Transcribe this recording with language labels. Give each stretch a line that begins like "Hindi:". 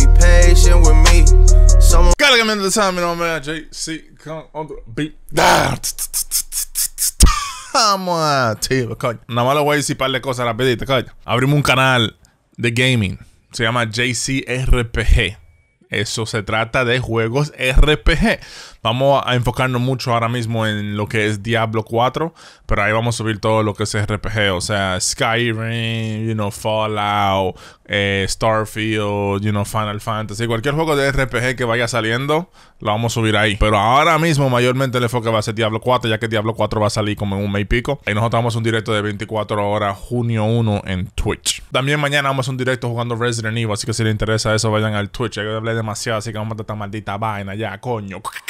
English: Hello, welcome into the time, you know, man. JC come on the beat.
Spanish: Nada más le voy a decir un par de cosas rapidito, coño. Abrimos un canal de gaming. Se llama JC RPG. Eso se trata de juegos RPG. Vamos a enfocarnos mucho ahora mismo en lo que es Diablo 4. Pero ahí vamos a subir todo lo que es RPG. O sea, Skyrim, you know, Fallout, Starfield, you know, Final Fantasy. Cualquier juego de RPG que vaya saliendo, lo vamos a subir ahí. Pero ahora mismo, mayormente el enfoque va a ser Diablo 4. Ya que Diablo 4 va a salir como en un mes y pico. Y nosotros vamos a un directo de 24 horas, junio 1, en Twitch. También mañana vamos a un directo jugando Resident Evil. Así que si les interesa eso, vayan al Twitch. Ya hablé demasiado, así que vamos a matar esta maldita vaina ya, coño.